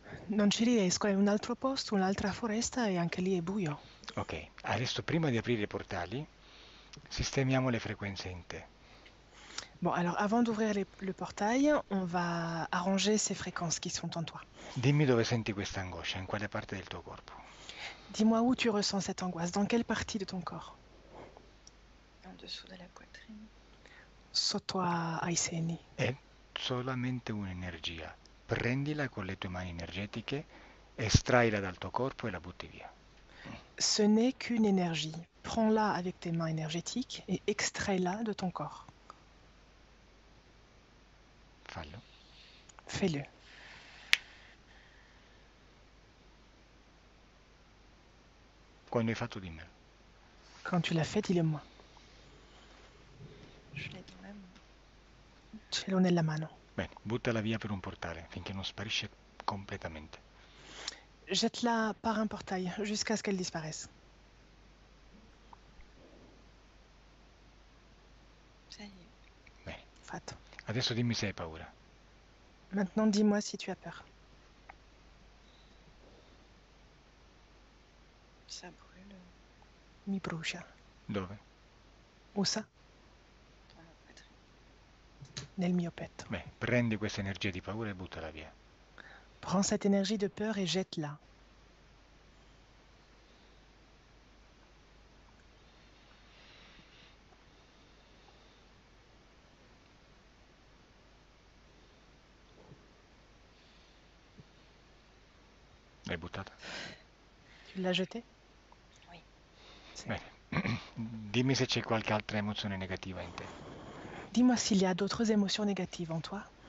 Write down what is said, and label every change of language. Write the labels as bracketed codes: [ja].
[it] Non ci riesco, è un altro posto, un'altra foresta e anche lì è buio. Ok, adesso prima di aprire i portali, sistemiamo le frequenze in te. [fr] Bon, alors avant d'ouvrir le portail, on va arranger ces fréquences qui sont en toi. [it] Dimmi dove senti questa angoscia, in quale parte del tuo corpo? [fr] Dis-moi où tu ressens cette angoisse, dans quelle partie de ton corps? En dessous de la poitrine. [it] Sotto ai seni. È solamente un'energia. Prendila con le tue mani energetiche, estraila dal tuo corpo e la butti via. [fr] Ce n'est qu'une énergie. Prends-la avec tes mains énergétiques et extrais-la de ton corps. [it] Fallo. [fr] Fais-le. [it] Quando hai fatto di me? [fr] Quand tu l'as fait, dis-le moi. Je l'ai dans la main. [it] Ce l'ho nella mano. Bene, buttala via per un portale finché non sparisce completamente. [fr] Jette-la par un portail jusqu'à ce qu'elle disparaisse. Ça y est. [it] Fatto. Adesso dimmi se hai paura. [fr] Maintenant, dis-moi si tu as peur. Ça brûle. [it] Mi brucia. Dove? [fr] Où ça? [it] Nel mio petto. Beh, prendi questa energia di paura e buttala via. [fr] Prends cette énergie de peur et jette-la. [it] L'hai buttata? [fr] La jeter? [it] Dimmi se c'è qualche altra emozione negativa in te. [fr] Dis-moi s'il y a d'autres émotions négatives en toi.